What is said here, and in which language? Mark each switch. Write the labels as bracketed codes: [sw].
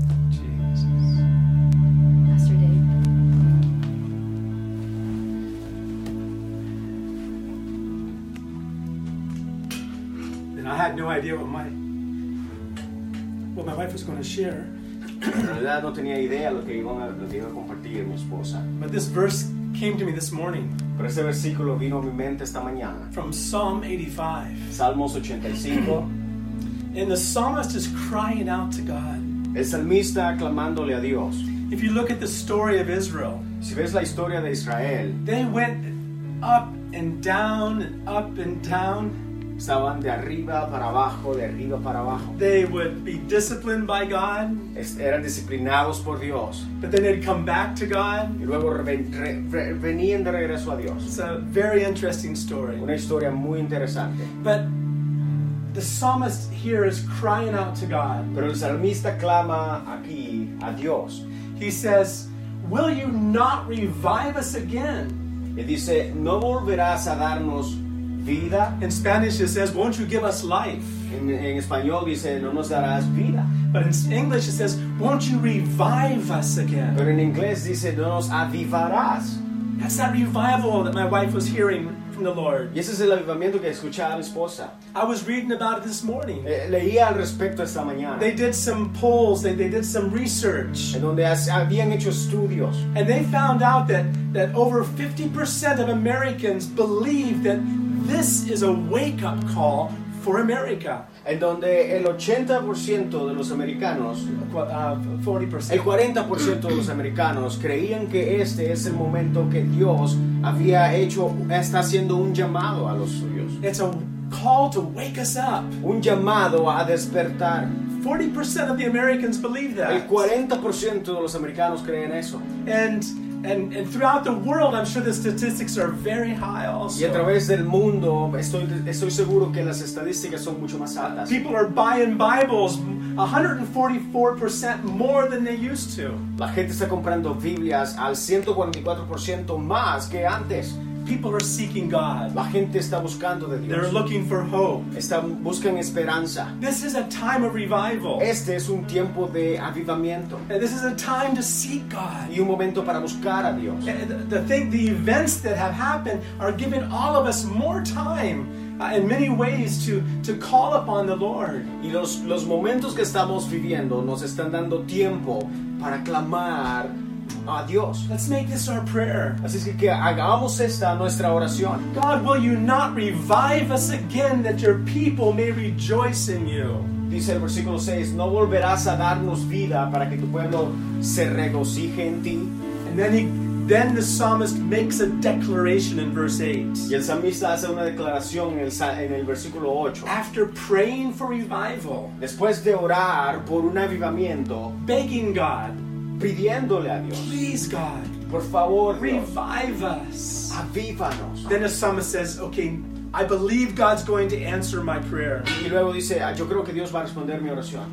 [en] Jesus. Pastor Dave. And I had no idea what my wife was going to share. [es] En realidad no tenía idea lo que iba a compartir mi esposa. [en] But this verse came to me this morning. [es] Pero ese versículo vino a mi mente esta mañana. [en] From Psalm 85. [es] Salmos 85. [en] And the psalmist is crying out to God. [es] El salmista clamándole a Dios. [en] If you look at the story of Israel, [es] si ves la historia de Israel, [en] they went up and down and up and down. [es] Estaban de arriba para abajo, de arriba para abajo. [en] They would be disciplined by God. [es] Eran disciplinados por Dios. [en] But then they'd come back to God. [es] Y luego venían de regreso a Dios. [en] It's a very interesting story. [es] Una historia muy interesante. [en] But the psalmist here is crying out to God. [es] Pero el salmista clama aquí a Dios. [en] He says, "Will you not revive us again?" [es] Y dice, "¿No volverás a darnos vida?" [en] In Spanish it says, "Won't you give us life?" [es] En español dice, "No nos darás vida." [en] But in English it says, "Won't you revive us again?" [es] Pero en inglés dice, "No nos avivarás." [en] That's that revival that my wife was hearing from the Lord. [es] Y ese es el avivamiento que escuchaba mi esposa. [en] I was reading about it this morning. [es] Leía al respecto esta mañana. [en] They did some polls. They did some research. [es] En donde habían hecho estudios. [en] And they found out that over 50% of Americans believe that this is a wake-up call for America. [es] En donde el 80% de los americanos, [en] 40%. [es] El 40% de los americanos creían que este es el momento que Dios había hecho, está haciendo un llamado a los suyos. [en] It's a call to wake us up. [es] Un llamado a despertar. [en] 40% of the Americans believe that. [es] El 40% de los americanos creen eso. [en] And throughout the world, I'm sure the statistics are very high also. [es] Y a través del mundo, estoy seguro que las estadísticas son mucho más altas. [en] People are buying Bibles 144% more than they used to. [es] La gente está comprando Biblias al 144% más que antes. [en] People are seeking God. [es] La gente está buscando de Dios. [en] They're looking for hope. [es] Buscan esperanza. [en] This is a time of revival. [es] Este es un tiempo de avivamiento. [en] And this is a time to seek God. [es] Y un momento para buscar a Dios. [en] The events that have happened are giving all of us more time in many ways to call upon the Lord. [es] Y los momentos que estamos viviendo nos están dando tiempo para clamar a Dios. [en] Let's make this our prayer. [es] Así es que hagamos esta nuestra oración. [en] God, will you not revive us again that your people may rejoice in you? [es] dice el versículo 6, no volverás a darnos vida para que tu pueblo se regocije en ti. [en] And then then the psalmist makes a declaration in verse 8. [es] Y el salmista hace una declaración en el versículo 8. [en] After praying for revival, [es] después de orar por un avivamiento, [en] begging God, [es] pidiéndole a Dios, [en] please God, [es] por favor, [en] revive us, [es] avívanos. [en] Then the psalmist says, okay, I believe God's going to answer my prayer. [es] Y luego dice, yo creo que Dios va a responder mi oración.